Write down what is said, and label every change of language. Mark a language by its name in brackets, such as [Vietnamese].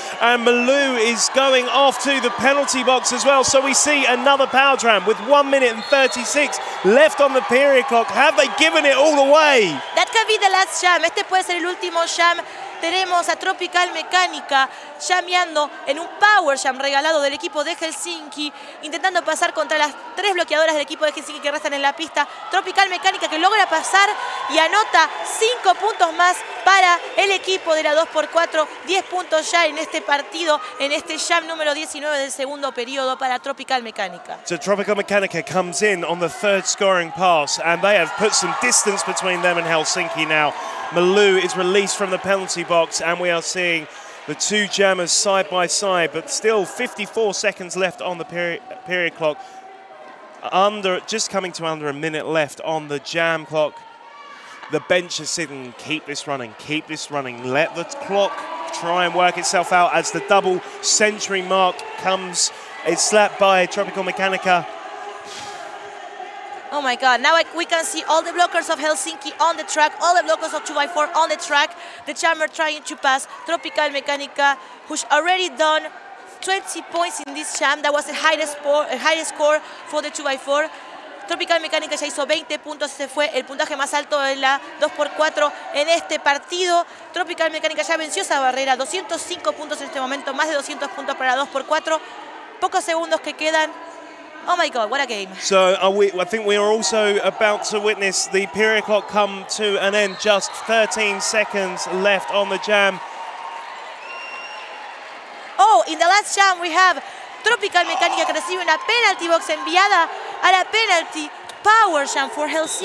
[English] And Malou is going off to the penalty box as well. So we see another power tram with 1 minute and 36 left on the period clock. Have they given it all away? That can be the last sham. [Spanish] Este puede ser el último sham. Tenemos a Tropical Mecánica llameando en un power jam regalado del equipo de Helsinki, intentando pasar contra las tres bloqueadoras del equipo de Helsinki que restan en la pista. Tropical Mecánica que logra pasar y anota 5 puntos más para el equipo de la 2x4. 10 puntos ya en este partido, en este jam número 19 del segundo periodo para Tropical Mecánica. [English] So Tropical Mecánica comes in on the third scoring pass and they have put some distance between them and Helsinki now. Malou is released from the penalty box and we are seeing the two jammers side by side, but still 54 seconds left on the period clock. Just coming to under a minute left on the jam clock. The bench is sitting, keep this running. Let the clock try and work itself out as the double century mark comes. It's slapped by Tropical Mecánica. Oh my God, now we can see all the blockers of Helsinki on the track, all the blockers of 2x4 on the track. The jammer trying to pass Tropical Mecánica, who's already done 20 points in this jam. That was the highest score for the 2x4. [Spanish] Tropical Mecánica ya hizo 20 puntos, ese fue el puntaje más alto de la 2x4 en este partido. Tropical Mecánica ya venció esa barrera, 205 puntos en este momento, más de 200 puntos para la 2x4. Pocos segundos que quedan. [English] Oh my God, what a game. So I think we are also about to witness the period clock come to an end. Just 13 seconds left on the jam. Oh, in the last jam we have Tropical Mecánica [Spanish] que recibe una penalty box enviada a la [English] penalty power jam for Helsinki.